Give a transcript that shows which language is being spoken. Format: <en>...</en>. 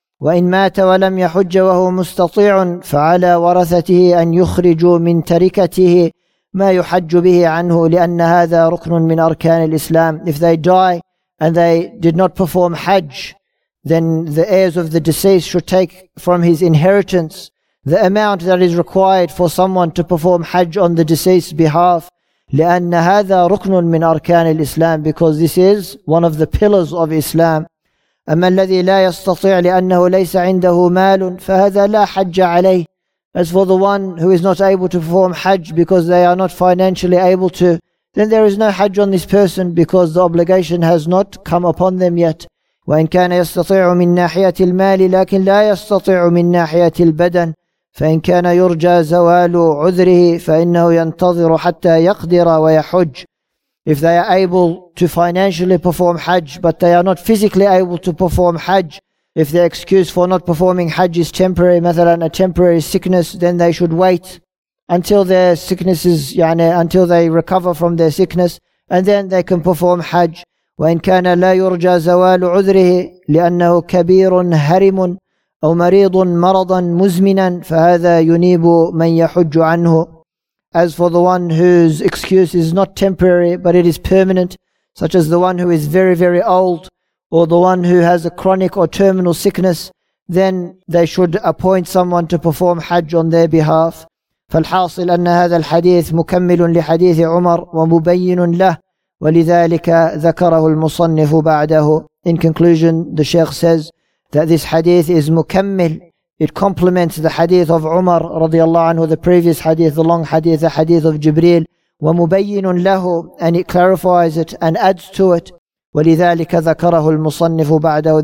<ar>وَإِنْ مَاتَ وَلَمْ يَحُجَّ وَهُوَ مُسْتَطِيعٌ فَعَلَى وَرَثَتِهِ أَنْ يُخْرِجُوا مِنْ تَرِكَتِهِ مَا يُحَجُّ بِهِ عَنْهُ لِأَنَّ هَذَا رُكْنٌ مِنْ أَرْكَانِ الْإِسْلَامِ.</ar> <en>If they die and they did not perform Hajj, then the heirs of the deceased should take from his inheritance the amount that is required for someone to perform Hajj on the deceased's behalf.</en> <ar>لأن هذا ركن من أركان الإسلام.</ar> <en>Because this is one of the pillars of Islam.</en> <ar>أما الذي لا يستطيع لأنه ليس عنده مال فهذا لا حج عليه.</ar> <en>As for the one who is not able to perform Hajj because they are not financially able to, then there is no Hajj on this person because the obligation has not come upon them yet.</en> <ar>وإن كان يستطيع من ناحية المال لكن لا يستطيع من ناحية البدن. فإن كان يرجى زوال عذره فإنه ينتظر حتى يقدر ويحج.</ar> <en>If they are able to financially perform Hajj, but they are not physically able to perform Hajj, if the excuse for not performing Hajj is temporary, مثلا a temporary sickness, then they should wait until their sicknesses, يعني until they recover from their sickness, and then they can perform Hajj.</en> <ar>وإن كان لا يرجى زوال عذره لأنه كبير هرم أو مريض مرضا مزمنا فهذا ينيب من يحج عنه.</ar> <en>As for the one whose excuse is not temporary but it is permanent, such as the one who is very, very old, or the one who has a chronic or terminal sickness, then they should appoint someone to perform Hajj on their behalf.</en> <ar>فالحاصل أن هذا الحديث مكمل لحديث عمر ومبين له ولذلك ذكره المصنف بعده.</ar> <en>In conclusion, the Sheikh says that this hadith is mukammil, it complements the hadith of Umar radiallahu anhu, the previous hadith, the long hadith, the hadith of Jibreel.</en> <ar>وَمُبَيِّنٌ لَهُ,</ar> <en>and it clarifies it and adds to it.</en> <ar>وَلِذَٰلِكَ ذَكَرَهُ الْمُصَنِّفُ بَعْدَهُ.</ar>